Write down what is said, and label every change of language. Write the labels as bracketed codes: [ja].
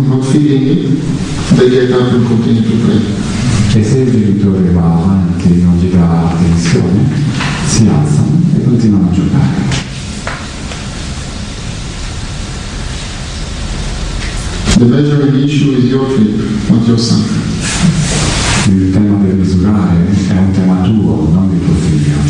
[en] feeling they get up and continue to pray. [it] E se il genitore va avanti e non gli dà attenzione, si alzano e continuano a giocare. [en] The measuring issue is your trip, not your son. [it] Il tema del misurare è un tema tuo, non di tuo figlio.